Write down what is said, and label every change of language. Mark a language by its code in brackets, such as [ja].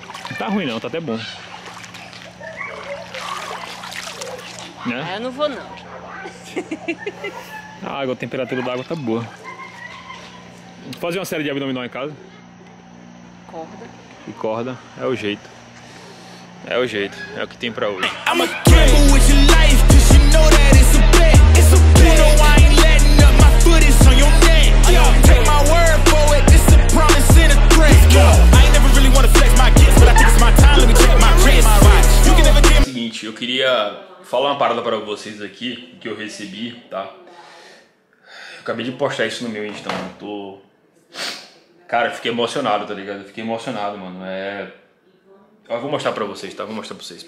[pt] Não tá ruim, não. Tá até bom. Né? Ah, eu não vou, não. A água, a temperatura da água tá boa. Vou fazer uma série de abdominal em casa. Corda. E corda, é o jeito. É o jeito, é o que tem pra hoje. [en] I'm a gamble with your life, cause you know that it's a bet. It's a bet. You know I ain't letting up, my foot is on your neck. Yo, take my word for it, it's a promise and a threat. Go. I ain't never really wanna flex my gifts, but I think it's my time, let me check my wrist. My watch. You can never get me. [pt] Seguinte, eu queria falar uma parada pra vocês aqui, que eu recebi, tá? Eu acabei de postar isso no meu Instagram, então, tô. Cara, eu fiquei emocionado, tá ligado? Eu fiquei emocionado, mano. É. Eu vou mostrar pra vocês, tá? Vou mostrar pra vocês.